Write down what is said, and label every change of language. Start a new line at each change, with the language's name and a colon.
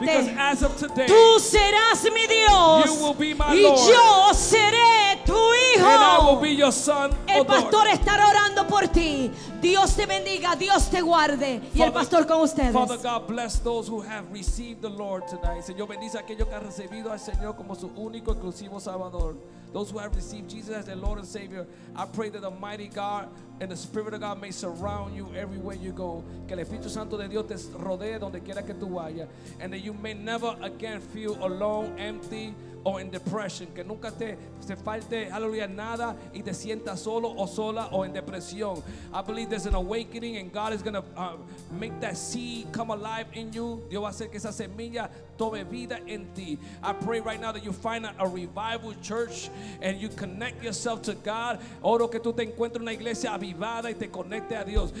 English: because as of today,
Spanish: tú serás mi Dios,
English: you will be my
Spanish: y
English: Lord,
Spanish: yo seré tu hijo.
English: And I will be your son.
Spanish: El pastor estará orando por ti. Dios te bendiga, Dios te guarde. Father, y el pastor con ustedes.
English: Father God, bless those who have received the Lord tonight.
Spanish: Señor, bendice a aquellos que han recibido al Señor como su único exclusivo Salvador.
English: Those who have received Jesus as their Lord and Savior, I pray that the mighty God and the Spirit of God may surround you everywhere you go.
Spanish: Que el Espíritu Santo de Dios te rodee donde quiera que tú vayas.
English: And that you may never again feel alone, empty, or in depression.
Spanish: Que nunca te falte, aleluya, nada y te sientas solo o sola o en depresión.
English: I believe there's an awakening and God is going to make that seed come alive in you.
Spanish: Dios va a hacer que esa semilla tome vida en ti.
English: I pray right now that you find a revival church and you connect yourself to God.
Spanish: Oro que tú te encuentres una iglesia avivada y te conecte a Dios.